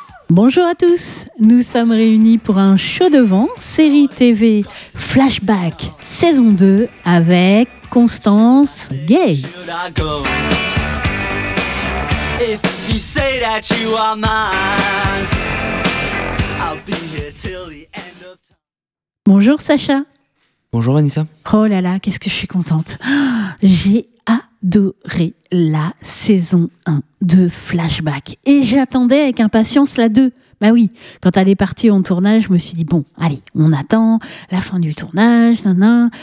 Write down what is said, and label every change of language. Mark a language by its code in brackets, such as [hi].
[fr] Bonjour à tous, nous sommes réunis pour un show devant, série TV Flashback saison 2 avec Constance Gay. [en] If you say that you are mine, I'll be here till the end of time. [fr] Bonjour Sacha. Bonjour Vanessa. Oh là là, qu'est-ce que je suis contente. J'ai adoré la saison 1 de Flashback. Et j'attendais avec impatience la 2. Bah oui, quand elle est partie en tournage, je me suis dit, bon, allez, on attend la fin du tournage, nanana.